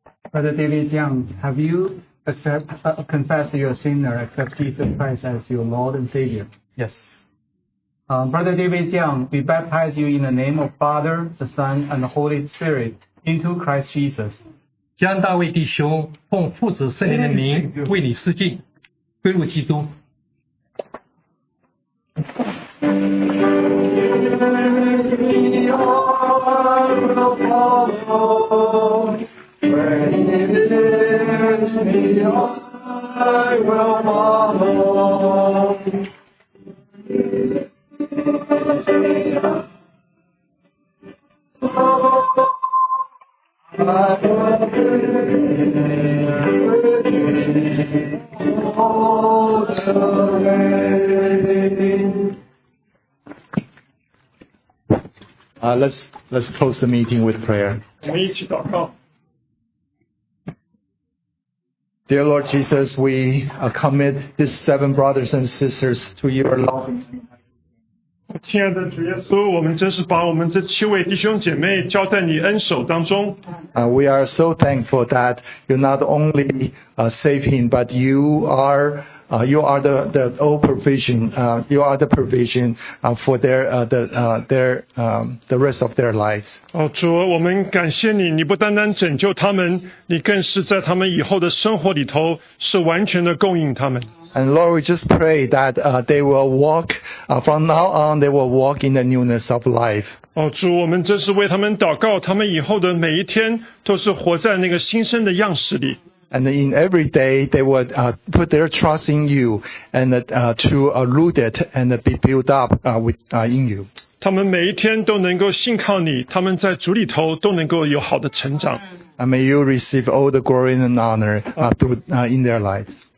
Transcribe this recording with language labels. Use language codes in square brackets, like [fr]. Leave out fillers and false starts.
[en] Brother David Jiang, have you confessed your sinner, accept Jesus Christ as your Lord and Savior? Yes. Brother David Jiang, we baptize you in the name of Father, the Son, and the Holy Spirit into Christ Jesus. [zh] 江大卫弟兄，奉父子圣灵的名为你施浸，归入基督。 [en] Let's close the meeting with prayer. [zh] 我们一起祷告。 [en] Dear Lord Jesus, we commit these seven brothers and sisters to your love. [zh] 亲爱的主耶稣，我们真是把我们这七位弟兄姐妹交在你恩手当中。 [en] We are so thankful that you not only save him, but you are you are the all provision, you are the provision for their, the, their, the rest of their lives. [zh] 哦, 主, 我们感谢你, 你不单单拯救他们, 你更是在他们以后的生活里头, 是完全的供应他们。 [en] And Lord, we just pray that they will walk, from now on, they will walk in the newness of life. [zh] 哦, 主, 我们这是为他们祷告, 他们以后的每一天都是活在那个新生的样式里。 [en] And in every day, they would put their trust in you and to root it and be built up with, in you. [zh] 他们每一天都能够信靠你, 他们在主里头都能够有好的成长。 [en] And may you receive all the glory and honor in their lives.